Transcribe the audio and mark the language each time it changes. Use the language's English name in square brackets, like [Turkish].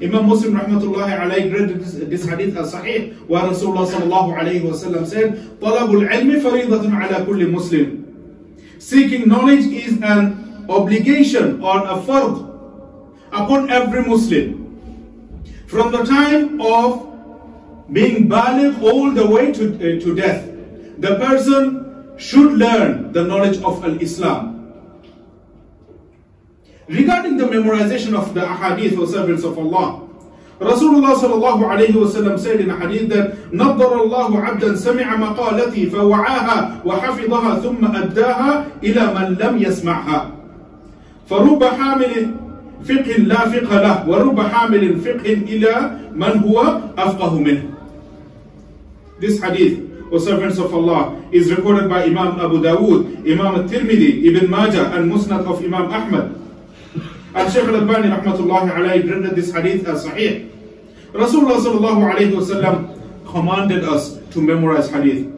[English] Imam Muslim rahmatullahi alayhi graded this hadith as sahih, where Rasulullah sallallahu alayhi wa sallam said, [Arabic] طَلَبُ الْعِلْمِ فَرِيضَةٌ عَلَى كُلِّ مُسْلِمٍ [English] Seeking knowledge is an obligation or a fard upon every Muslim. From the time of being baligh all the way to death. the person should learn the knowledge of Al-Islam. Regarding the memorization of the Ahadith or servants of Allah, Rasulullah sallallahu alayhi wa sallam said in a hadith that [Arabic] نَضَّرَ اللَّهُ عَبْدًا سَمِعَ مَقَالَتِي فَوَعَاهَا وَحَفِظَهَا ثُمَّ أَدَّاهَا إِلَى مَنْ لَمْ يَسْمَعْهَا فَرُبَّ حَامِلٍ فِقْهٍ لَا فِقْهَ لَهُ وَرُبَّ حَامِلٍ فِقْهٍ إِلَى مَنْ هُوَ أَفْقَهُ مِنْهُ. [English] This hadith, O servants of Allah, is recorded by Imam Abu Dawood, Imam al-Tirmidhi, Ibn Majah, and Musnad of Imam Ahmad. And Shaykh al-Albani rahmatullahi alayhi rendered this hadith as sahih. Rasulullah sallallahu alayhi wa sallam commanded us to memorize hadith.